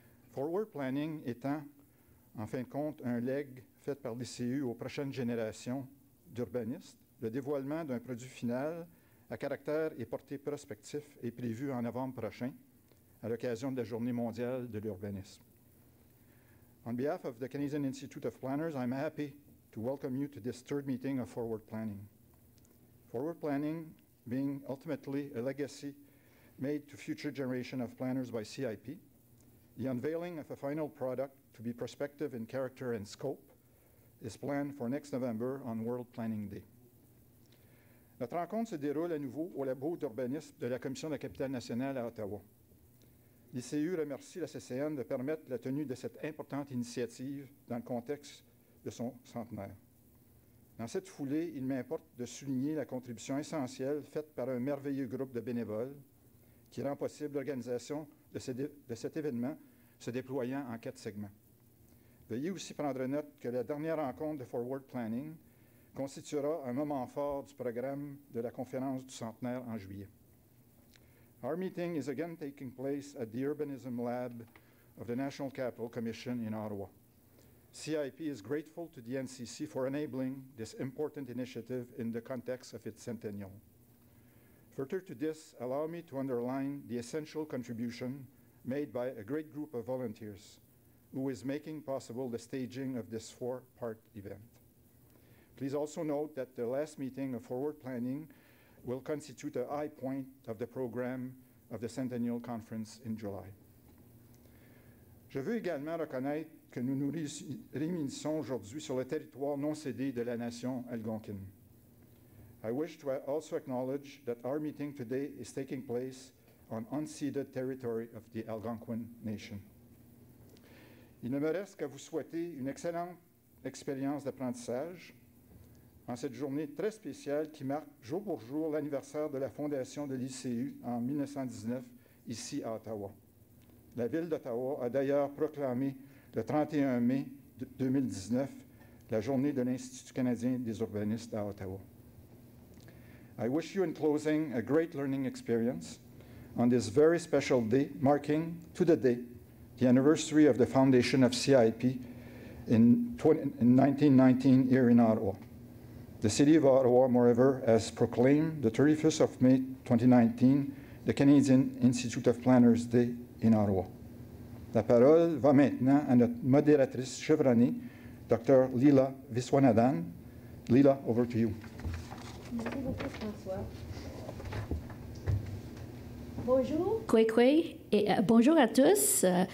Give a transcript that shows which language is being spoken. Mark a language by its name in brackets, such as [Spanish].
[French] Forward Planning étant, en fin de compte, un legs fait par l'ICU aux prochaines générations d'urbanistes, le dévoilement d'un produit final à caractère et portée prospectif est prévu en novembre prochain, à l'occasion de la Journée mondiale de l'urbanisme. [English] On behalf of the Canadian Institute of Planners, I'm happy to welcome you to this third meeting of Forward Planning. Forward Planning being ultimately a legacy made to future generation of planners by CIP, the unveiling of a final product to be prospective in character and scope is planned for next November on World Planning Day. [French] Notre rencontre se déroule à nouveau au labo d'urbanisme de la Commission de la Capitale-Nationale à Ottawa. L'ICU remercie la CCN de permettre la tenue de cette importante initiative dans le contexte de son centenaire. Dans cette foulée, il m'importe de souligner la contribution essentielle faite par un merveilleux groupe de bénévoles qui rend possible l'organisation de cet événement se déployant en quatre segments. Veuillez aussi prendre note que la dernière rencontre de Forward Planning constituera un moment fort du programme de la conférence du centenaire en juillet. [English] Our meeting is again taking place at the Urbanism Lab of the National Capital Commission in Ottawa. CIP is grateful to the NCC for enabling this important initiative in the context of its centennial. Further to this, allow me to underline the essential contribution made by a great group of volunteers who is making possible the staging of this four-part event. Please also note that the last meeting of Forward Planning will constitute a high point of the program of the Centennial Conference in July. [French] Je veux également reconnaître que nous nous réunissons aujourd'hui sur le territoire non cédé de la nation Algonquin. [English] I wish to also acknowledge that our meeting today is taking place on unceded territory of the Algonquin Nation. [French] Il ne me reste qu'à vous souhaiter une excellente expérience d'apprentissage en cette journée très spéciale qui marque jour pour jour l'anniversaire de la fondation de l'ICU en 1919, ici à Ottawa. La ville d'Ottawa a d'ailleurs proclamé le 31 mai 2019 la journée de l'Institut canadien des urbanistes à Ottawa. [English] I wish you in closing a great learning experience on this very special day, marking to the day the anniversary of the foundation of CIP in 1919 here in Ottawa. The City of Ottawa, moreover, has proclaimed the 31st of May 2019 the Canadian Institute of Planners Day in Ottawa. [French] La parole va maintenant à notre modératrice chevronnée, Dr. [English] Lila Viswanathan. Lila, over to you. [French] Merci beaucoup, François. Bonjour. Bonjour à tous.